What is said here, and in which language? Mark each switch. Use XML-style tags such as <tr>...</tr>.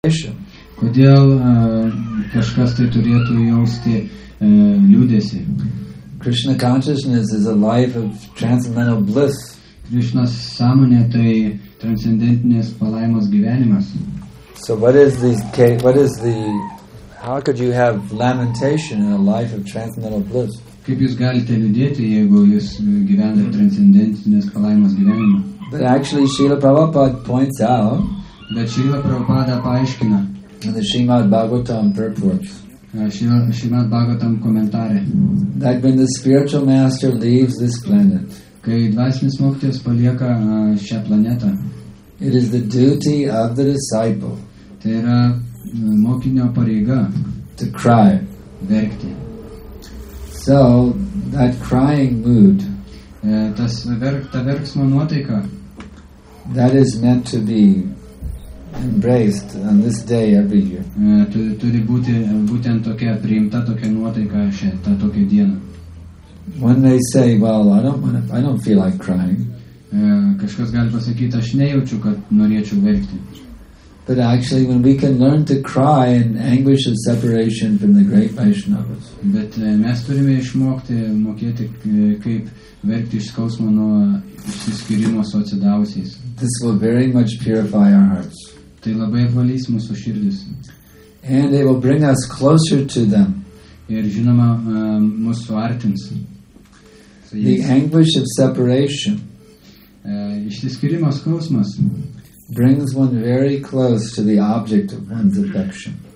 <lt>Kodėl kažkas tai turėtų jausti liūdesį?</lt> <en>Krishna consciousness is a life of transcendental bliss.</en> <lt>Krishnas sąmonė tai transcendentinės palaimos gyvenimas.</lt> <en>So how could you have lamentation in a life of transcendental bliss?</en> <lt>Kaip jūs galite liūdėti, jeigu jūs gyvenate transcendentinės palaimos gyvenimą?</lt> <en>But actually Srila Prabhupada points out,</en> <lt>bet Srila Prabhupada paaiškina,</lt> <en>in the Srimad Bhagavatam purport,</en> <lt>Srimad Bhagavatam komentare,</lt> <en>that when the spiritual master leaves this planet,</en> <lt>kai dvasinis mokytojas palieka šią planetą,</lt> <en>it is the duty of the disciple,</en> <lt>tai yra mokinio pareiga,</lt> <en>to cry,</en> <lt>verkti.</lt> <en>So that crying mood,</en> <lt>ta verksmo nuotaika,</lt> <en>that is meant to be embraced on this day every year.</en> <lt>Turi būti būtent tokia priimta tokia nuotaika šią tokią dieną.</lt> <en>One may say, well, I don't feel like crying.</en> <lt>Kažkas gali pasakyti, aš nejaučiu, kad norėčiau verkti.</lt> <en>But actually, when we can learn to cry in anguish of separation from the great Vaishnavas.</en> <lt>Bet mes turime išmokti mokėti kaip verkti iš skausmo nuo išsiskyrimo su atsidavusiais.</lt> <en>This will very much purify our hearts.</en> <lt>Tai labai apvalys mūsų širdis.</lt> <en>And it will bring us closer to them.</en> <lt>Ir žinoma, mus suartins.</lt> <en>The anguish of separation.</en> <lt>Išsiskyrimo skausmas</lt> <en>brings one very close to the object of one's affection.</en>